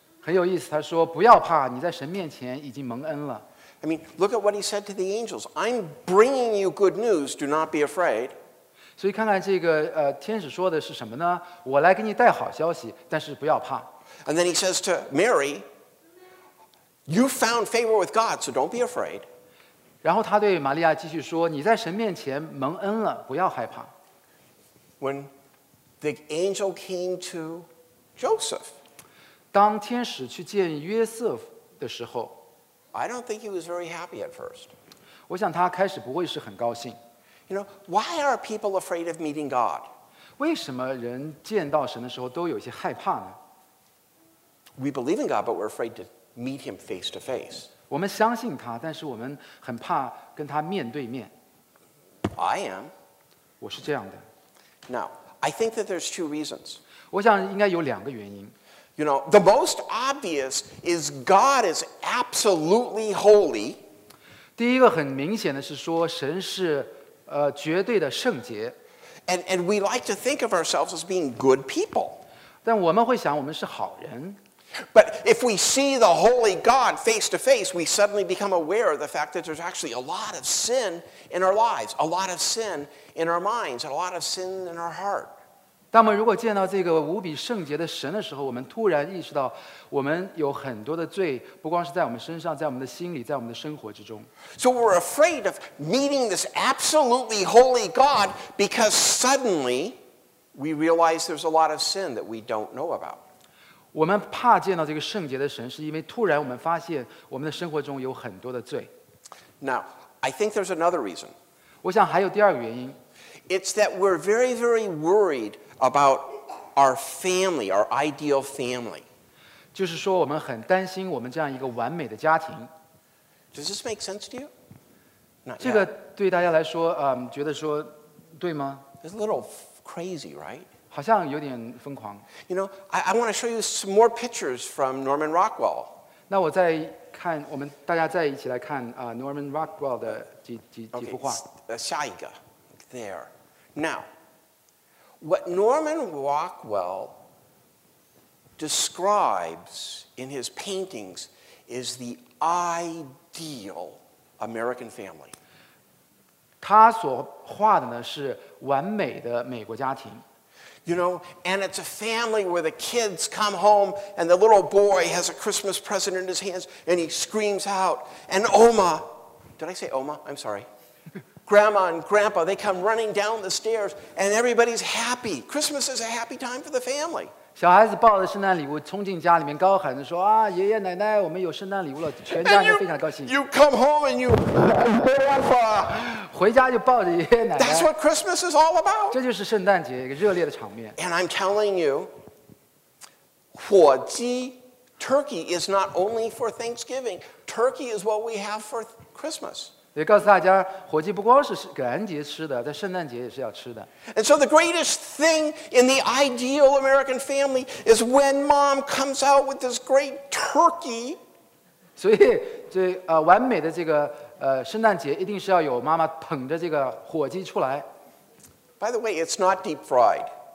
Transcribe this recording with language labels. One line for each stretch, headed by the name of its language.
Chinese: 很有意思，他说不要怕，你在神面前已经蒙恩了。
English: I mean, look at what he said to the angels. I'm bringing you good news, do not be afraid.
Chinese: 所以看看这个天使说的是什么呢？我来给你带好消息，但是不要怕。
English: And then he says to Mary, you found favor with God, so don't be afraid.
Chinese: 然后他对玛利亚继续说，你在神面前蒙恩了，不要害怕。
English: When the angel came to Joseph,
Chinese: 当天使去见约瑟的时候，
English: I don't think he was very happy at first.
Chinese: 我想他开始不会是很高兴。
English: You know, why are people afraid of meeting God?
Chinese: 为什么人见到神的时候都有些害怕呢？
English: We believe in God, but we're afraid to meet him face to face.
Chinese: 我们相信他，但是我们很怕跟他面对面。
English: I am.
Chinese: 我是这样的。
English: Now, I think that there's two reasons.
Chinese: 我想应该有两个原因。
English: You know, the most obvious is God is absolutely holy.
Chinese: 第一个很明显的是说神是绝对的圣洁。
English: And we like to think of ourselves as being good people.
Chinese: 但我们会想我们是好人。
English: But if we see the holy God face to face, we suddenly become aware of the fact that there's actually a lot of sin in our lives, a lot of sin in our minds, and a lot of sin in our heart.
Chinese: 当我们如果见到这个无比圣洁的神的时候，我们突然意识到我们有很多的罪，不光是在我们身上，在我们的心里，在我们的生活之中。
English: So we're afraid of meeting this absolutely holy God because suddenly we realize there's a lot of sin that we don't know about.
Chinese: 我们怕见到这个圣洁的神，是因为突然我们发现我们的生活中有很多的罪。
English: Now, I think there's another reason.
Chinese: 我想还有第二个原因。
English: It's that we're very, very worried about our family, our ideal family.
Chinese: 就是说我们很担心我们这样一个完美的家庭。
English: Does this make sense to you?
Chinese: 这个对大家来说，觉得说对吗？
English: It's a little crazy, right?
Chinese: 好像有点疯狂。
English: You know, I want to show you some more pictures from Norman Rockwell.
Chinese: 那我再看，我们大家再一起来看Norman Rockwell 的几幅画。
English: Okay,
Chinese: 下一个。
English: There. Now, what Norman Rockwell describes in his paintings is the ideal American family.
Chinese: 他所画的呢是完美的美国家庭。
English: You know, and it's a family where the kids come home and the little boy has a Christmas present in his hands and he screams out, and Oma, did I say Oma? I'm sorry. Grandma and Grandpa, they come running down the stairs, and everybody's happy. Christmas is a happy time for the family.
Chinese: 小孩子抱着圣诞礼物冲进家里面，高喊着说：“啊，爷爷奶奶，我们有圣诞礼物了！” 全家人非常高兴。
English: You come home and you, Grandpa,
Chinese: 回家就抱着爷爷奶奶。
English: That's what Christmas is all about.
Chinese: 这就是圣诞节一个热烈的场面。
English: And I'm telling you,
Chinese: 火鸡
English: turkey is not only for Thanksgiving. Turkey is what we have for Christmas.
Chinese: 也告诉大家，火鸡不光是感恩节吃的，在圣诞节也是要吃的。
English: And so the greatest thing in the ideal American family is when mom comes out with this great turkey.
Chinese: 所以这完美的这个圣诞节一定是要有妈妈捧着这个火鸡出来。
English: By the way, it's not deep fried.